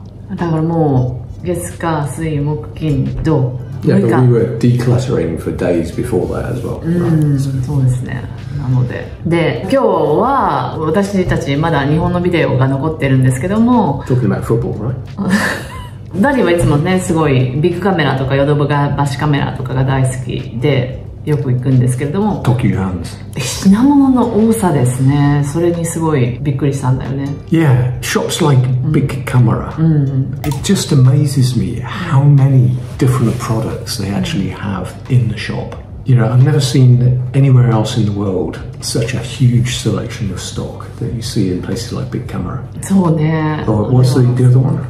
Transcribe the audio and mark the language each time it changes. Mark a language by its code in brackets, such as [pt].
[ja] だからもう月火水木金土。 [en] Yeah, but we were decluttering for days before that as well. [ja] そうですね。なので、で、今日は私たちまだ日本のビデオが残ってるんですけども、 [en] Talking about football, right? [ja] ダディはいつもね、すごいビッグカメラとかヨドバガバシカメラとかが大好きで、よく行くんですけれども、 Tokyo Hands。品物の多さですね。それにすごいびっくりしたんだよね。 [en] Yeah, shops like Big Camera. It just amazes me how many different products they actually have in the shop. You know, I've never seen anywhere else in the world such a huge selection of stock that you see in places like Big Camera. [ja] そうね。 [en] Or what's the other one?